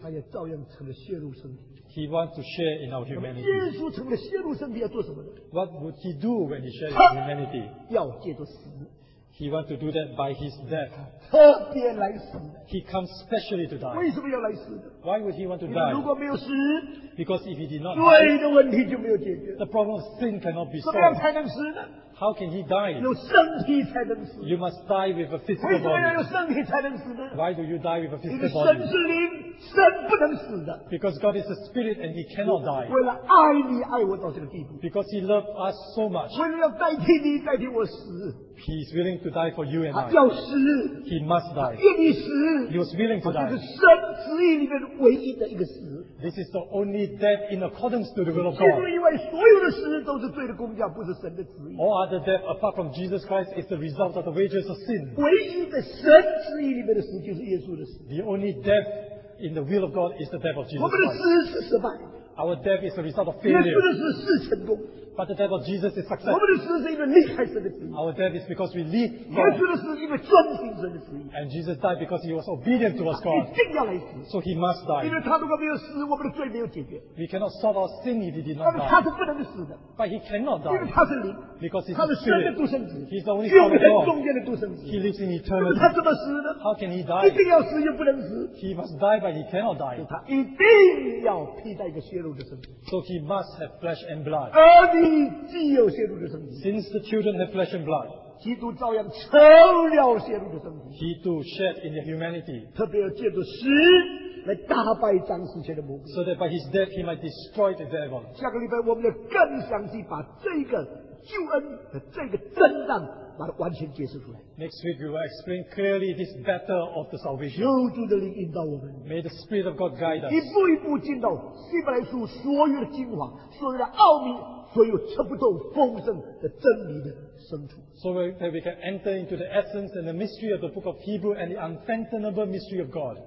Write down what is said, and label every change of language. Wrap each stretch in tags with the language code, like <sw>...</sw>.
<zh>他也照样成了血肉身体。</zh> <en>He wants to share in our humanity.</en> <zh>耶稣成了血肉身体要做什么呢？</zh> <en>What would he do when he shares his humanity?</en> <zh>要借着死。</zh> <en>He wants to do that by his death.</en> <zh>特别来死。</zh> <en>He comes specially to die.</en> <zh>为什么要来死？</zh> <en>Why would he want to die?</en> <zh>如果没有死，</zh> <en>because if he did not die,</en> <zh>罪的问题就没有解决。</zh> <en>The problem of sin cannot be solved.</en> <zh>怎么样才能死呢？</zh> <en>How can he die?</en> <zh>有身体才能死。</zh> <en>You must die with a physical body.</en> <zh>为什么要有身体才能死呢？</zh> <en>Why do you die with a physical body?</en> <zh>你的神是灵，神不能死的。</zh> <en>Because God is a spirit and he cannot die.</en> <zh>为了爱你，爱我到这个地步。</zh> <en>Because he loved us so much.</en> <zh>为了要代替你，代替我死。</zh> <en>He is willing to die for you and I.</en> <zh>他要死。</zh> <en>He must die.</en> <zh>他愿意死。</zh> <en>He was willing to die.</en> <zh>这是神旨意里面唯一的一个死。</zh> <en>This is the only death in accordance to the will of God.</en> <zh>除此以外，所有的死都是罪的工价，不是神的旨意。</zh> <en>All other death apart from Jesus Christ is the result of the wages of sin.</en> <zh>唯一的神旨意里面的死就是耶稣的死。</zh> <en>The only death in the will of God is the death of Jesus Christ.</en> <zh>我们的死是失败。</zh> <en>Our death is the result of failure.</en> <zh>耶稣的死是成功。</zh> <en>But the death of Jesus is success.</en> <zh>我们的死是因为离开神的旨意。</zh> <en>Our death is because we leave God.</en> <zh>耶稣的死因为遵行神的旨意。</zh> <en>And Jesus died because he was obedient towards God.</en> <zh>一定要来死。</zh> <en>So he must die.</en> <zh>因为他如果没有死，我们的罪没有解决。</zh> <en>We cannot solve our sin if he did not die.</en> <zh>他是不能死的。</zh> <en>But he cannot die.</en> <zh>因为他是灵。</zh> <en>Because he's the Spirit.</en> <zh>他是神的独生子。</zh> <en>He's the only Son of God.</en> <zh>永恒中间的独生子。</zh> <en>He lives in eternity.</en> <zh>他怎么死呢？</zh> <en>How can he die?</en> <zh>一定要死又不能死。</zh> <en>He must die, but he cannot die.</en> <zh>他一定要披戴一个血肉的身体。</zh> <en>So he must have flesh and blood.</en> <zh>既有血肉的身体。</zh> <en>Since the children have flesh and blood,</en> <zh>基督照样成了血肉的身体。</zh> <en>He too shed in the humanity.</en> <zh>特别要借着死来打败张世杰的魔鬼。</zh> <en>So that by his death he might destroy the devil.</en> <zh>下个礼拜我们要更详细把这个救恩和这个震荡把它完全解释出来。</zh> <en>Next week we will explain clearly this battle of the salvation.</en> <zh>救主的灵引导我们。</zh> <en>May the Spirit of God guide us.</en> <zh>一步一步进到希伯来书所有的精华，所有的奥秘。所有吃不透丰盛的真理的深处。</zh> <en>So that we can enter into the essence and the mystery of the book of Hebrew and the unfathomable mystery of God.</en>